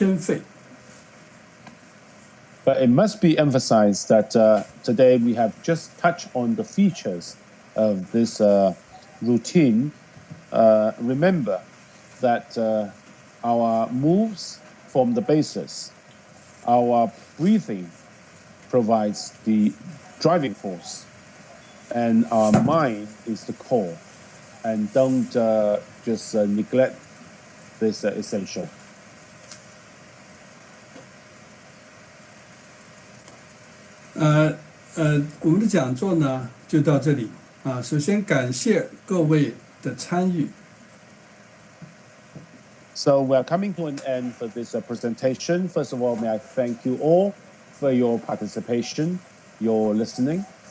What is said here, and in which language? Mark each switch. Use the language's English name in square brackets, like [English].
[Chinese] 要注意，这个我们只是讲了动作特点，其实我们的练功，动作是基础，呼吸是动力，调神是核心，我们绝不能偏废。 [English] But it must be emphasized that today we have just touched on the features of this routine. Remember that our moves form the basis. Our breathing provides the driving force, and our mind is the core. And don't just neglect this essential. [Chinese] 我们的讲座呢就到这里。首先感谢各位的参与。 [English] So we are coming to an end for this presentation. First of all, may I thank you all for your participation, your listening.